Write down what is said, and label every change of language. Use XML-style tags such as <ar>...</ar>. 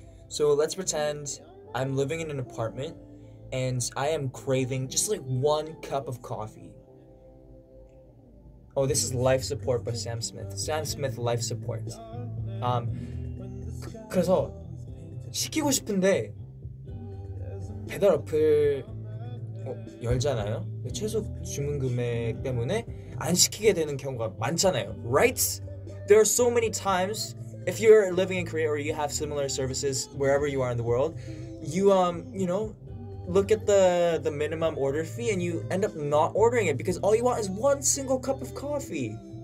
<en>So let's pretend I'm living in an apartment and I am craving just like one cup of coffee. Oh, this is Life Support by Sam Smith. Sam Smith Life Support.</en> <ko>그래서 시키고 싶은데 배달 어플 열잖아요. 최소 주문 금액 때문에 안 시키게 되는 경우가 많잖아요.</ko> <en>Right? There are so many times if you're living in Korea or you have similar services wherever you are in the world, you you know, look at the minimum order fee and you end up not ordering it because all you want is one single cup of coffee.</en>